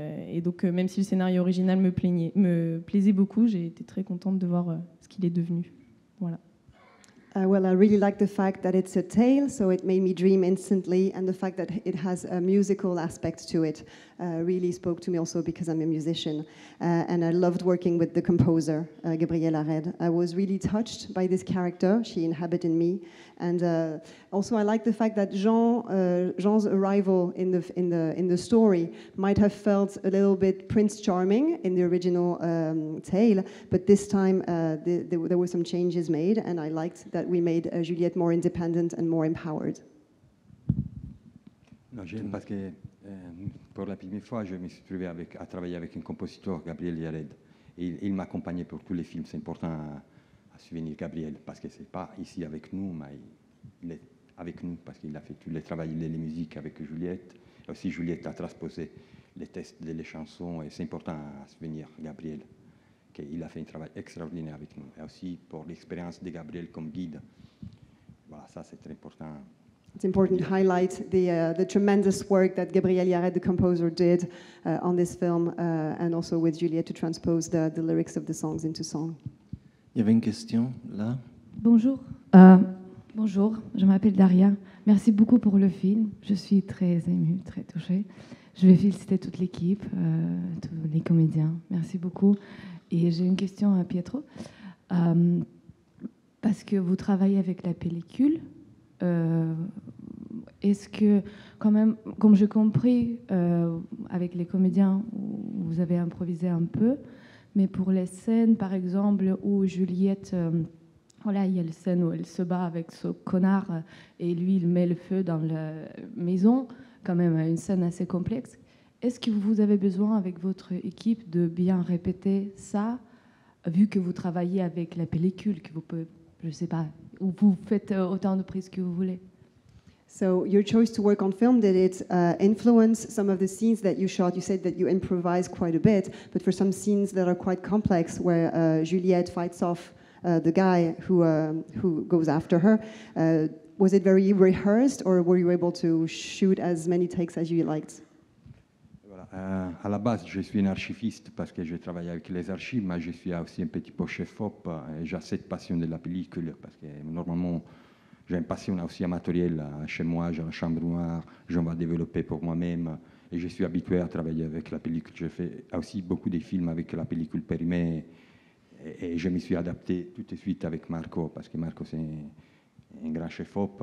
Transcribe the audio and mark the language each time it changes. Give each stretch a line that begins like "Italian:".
French: Et donc même si le scénario original me plaisait beaucoup, j'ai été très contente de voir ce qu'il est devenu. Voilà.
English: Well, I really like the fact that it's a tale, so it made me dream instantly, and the fact that it has a musical aspect to it really spoke to me also because I'm a musician, and I loved working with the composer, Gabriel Yared. I was really touched by this character, she inhabited me, and also I like the fact that Jean's arrival in the story might have felt a little bit Prince Charming in the original tale, but this time there were some changes made, and I liked that we made Juliette more independent and more empowered.
French: Non, j'aime parce que pour la première fois, je me suis trouvé à travailler avec un compositeur, Gabriel Yared. Il m'accompagnait pour tous les films. C'est important à souvenir Gabriel, parce que c'est pas ici avec nous, mais il est avec nous parce qu'il a fait tous les travaux, les musiques avec Juliette. Et aussi, Juliette a transposé les textes des chansons. Et c'est important à souvenir Gabriel. Il a fait un travail extraordinaire avec nous. Et aussi pour l'expérience de Gabriel comme guide. Voilà, ça c'est très important.
English: It's important to highlight the tremendous work that Gabriel Yared, the composer, did on this film, and also with Juliet to transpose the lyrics of the songs into song.
French: Il y avait une question là. Bonjour. Bonjour, je m'appelle Daria. Merci beaucoup pour le film. Je suis très émue, très touchée. Je vais féliciter toute l'équipe, tous les comédiens. Merci beaucoup. Et j'ai une question à Pietro. Parce que vous travaillez avec la pellicule, est-ce que, quand même, comme j'ai compris, avec les comédiens, vous avez improvisé un peu, mais pour les scènes, par exemple, où Juliette, voilà, il y a la scène où elle se bat avec ce connard et lui, il met le feu dans la maison, quand même, une scène assez complexe. Est-ce que vous avez besoin, avec votre équipe, de bien répéter ça, vu que vous travaillez avec la pellicule, que vous pouvez, je ne sais pas, où vous faites autant de prises que vous voulez?
English: So your choice to work on film, did it influence some of the scenes that you shot? You said that you improvise quite a bit, but for some scenes that are quite complex, where Juliette fights off the guy who goes after her, was it very rehearsed, or were you able to shoot as many takes as you liked?
French: À la base, je suis un archiviste parce que je travaille avec les archives, mais je suis aussi un petit peu chef-op. J'ai cette passion de la pellicule parce que normalement, j'ai une passion aussi amateurielle chez moi, j'ai la chambre noire, j'en vais développer pour moi-même. Et je suis habitué à travailler avec la pellicule. J'ai fait aussi beaucoup de films avec la pellicule périmée et je me suis adapté tout de suite avec Marco parce que Marco, c'est un grand chef-op.